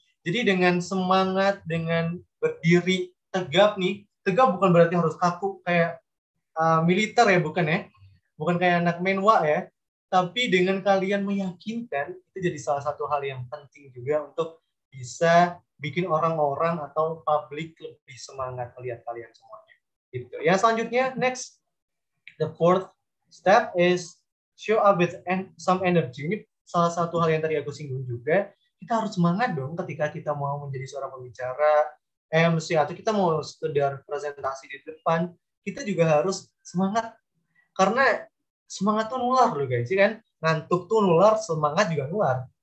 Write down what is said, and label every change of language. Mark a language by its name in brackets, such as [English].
[Indonesian] Jadi dengan semangat, dengan berdiri tegap nih, tegap bukan berarti harus kaku kayak militer ya, bukan ya? Bukan kayak anak menwa ya, tapi dengan kalian meyakinkan, itu jadi salah satu hal yang penting juga untuk bisa bikin orang-orang atau publik lebih semangat melihat kalian semuanya. Gitu. Yang selanjutnya, next. [English] The fourth step is show up with some energy. [Indonesian] Ini salah satu hal yang tadi aku singgung juga. Kita harus semangat dong ketika kita mau menjadi seorang pembicara, MC, atau kita mau sekedar presentasi di depan, kita juga harus semangat. Karena semangat tuh nular loh guys, kan? Ngantuk tuh nular, semangat juga nular.